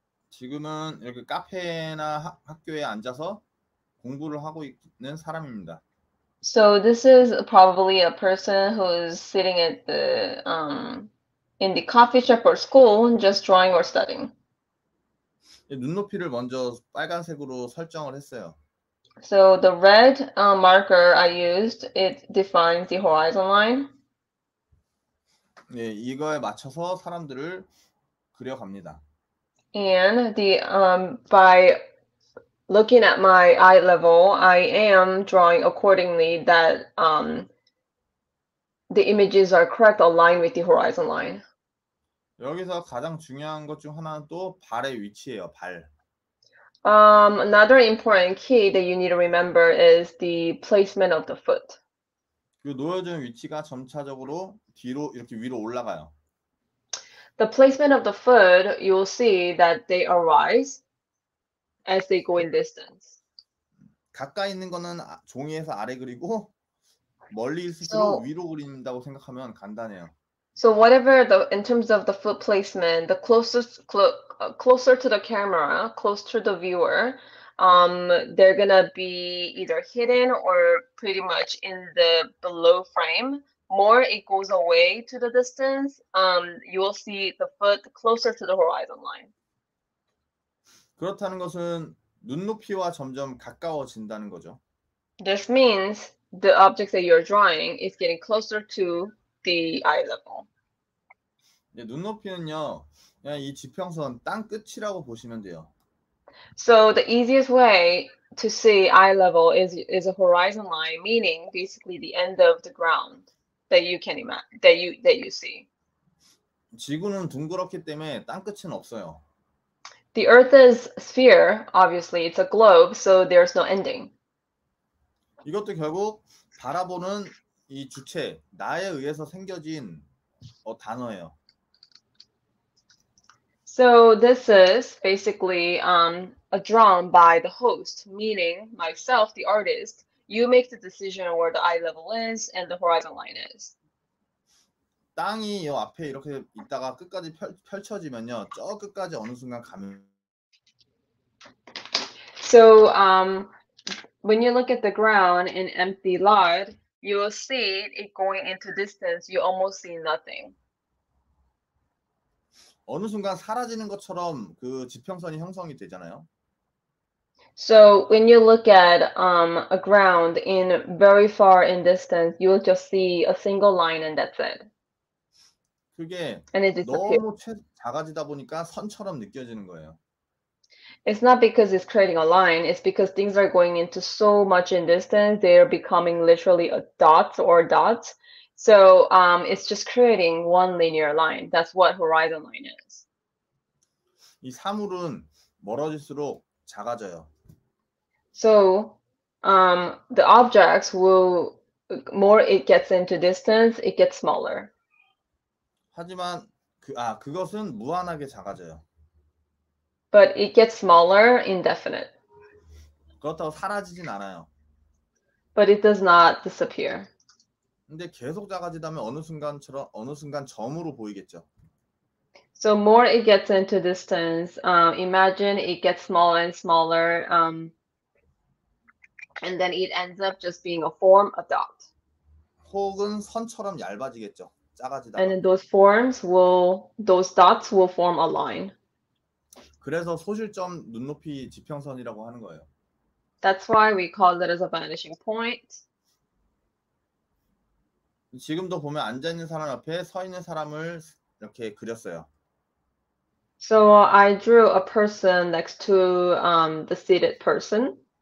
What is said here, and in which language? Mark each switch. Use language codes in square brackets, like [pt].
[ko] 지금은 이렇게 카페나 학교에 앉아서 공부를 하고 있는 사람입니다. [en] So this is probably a person who is sitting at the in the coffee shop or school, just drawing or studying. [ko] 눈높이를 먼저 빨간색으로 설정을 했어요. [en] So the red marker I used, it defines the horizon line. [ko] 네, 이거에 맞춰서 사람들을 그려갑니다. [en] And by looking at my eye level, I am drawing accordingly that the images are correct aligned with the horizon line. [ko] 여기서 가장 중요한 것중 하나는 또 발의 위치예요, 발. [en] Another important key that you need to remember is the placement of the foot. [ko] 그 놓여진 위치가 점차적으로 뒤로 이렇게 위로 올라가요. [en] The placement of the foot, you will see that they arise as they go in distance. [ko] 가까이 있는 거는 종이에서 아래 그리고 멀리 있을수록 [en] So, [ko] 위로 그린다고 생각하면 간단해요. [en] whatever the in terms of the foot placement, the closest clo closer to the camera, close to the viewer, they're gonna be either hidden or pretty much in the below frame. More it goes away to the distance, you will see the foot closer to the horizon line. [ko] 그렇다는 것은 눈높이와 점점 가까워진다는 거죠. [en] This means the object that you're drawing is getting closer to the eye level. [ko] 눈높이는요, 그냥 이 지평선 땅끝이라고 보시면 돼요. [en] So the easiest way to see eye level is a horizon line, meaning basically the end of the ground that you can imagine that you see. [ko] 지구는 둥그렇기 때문에 땅끝은 없어요. [en] The Earth is sphere, obviously it's a globe, so there's no ending. [ko] 이것도 결국 바라보는 이 주체, 나에 의해서 생겨진 단어예요. [en] So this is basically a drawn by the host, meaning myself, the artist. You make the decision where the eye level is and the horizon line is. [ko] 땅이 요 앞에 이렇게 있다가 끝까지 펼쳐지면요, 저 끝까지 어느 순간 가면 [en] So when you look at the ground in empty lot, you will see it going into distance. You almost see nothing. [ko] 어느 순간 사라지는 것처럼 그 지평선이 형성이 되잖아요. [en] So when you look at a ground in very far in distance, you will just see a single line and that's it. [ko] 그게 [en] And it disappears. [ko] 너무 작아지다 보니까 선처럼 느껴지는 거예요. [en] It's not because it's creating a line, it's because things are going into so much in distance, they are becoming literally a dots or dots. So it's just creating one linear line. That's what horizon line is. [ko] 이 사물은 멀어질수록 작아져요. [en] So, the objects will, more it gets into distance, it gets smaller. [ko] 하지만 그것은 무한하게 작아져요. [en] But it gets smaller indefinite. [ko] 그렇다고 사라지진 않아요. [en] But it does not disappear. [ko] 근데 계속 작아지다면 어느 순간처럼 어느 순간 점으로 보이겠죠. [en] So more it gets into distance, imagine it gets smaller and smaller, and then it ends up just being a form, a dot. [ko] 혹은 선처럼 얇아지겠죠. 작아지다. [en] And then those forms will, those dots will form a line. [ko] 그래서 소실점 눈높이 지평선이라고 하는 거예요. [en] That's why we call it as a vanishing point. [ko] 지금도 보면 앉아 있는 사람 앞에 서 있는 사람을 이렇게 그렸어요. [en] So I drew a person next to the seated person.